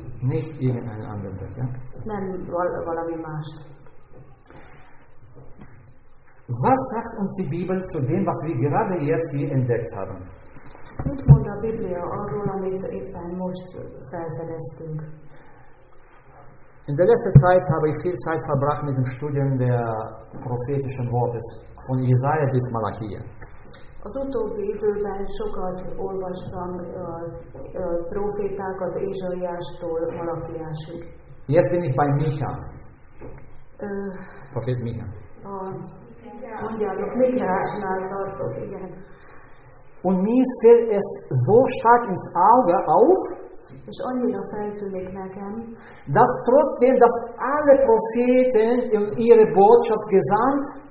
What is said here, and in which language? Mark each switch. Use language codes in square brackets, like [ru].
[de] Nicht irgendeine andere Sache. [hu] Nem valami más. [de] Was sagt uns die Bibel zu dem, was wir gerade erst hier entdeckt haben? [hu] Mit mond a Biblia arról, amit éppen most felfedeztünk? [de] In der letzten Zeit habe ich viel Zeit verbracht mit dem Studium der prophetischen Worte von Jesaja bis Malachia. [hu] Az utóbbi időben sokat olvastam prófétákat Ézsaiástól Malachiásig. [de] Jetzt bin ich bei Micha. Prophet Micha. [hu] Mondjátok, Micha-nál tartok, igen. [de] Und mir fällt es so stark ins Auge auf, [hu] és annyira feltűnik nekem, [de] dass trotzdem, dass alle Propheten in ihre Botschaft gesandt,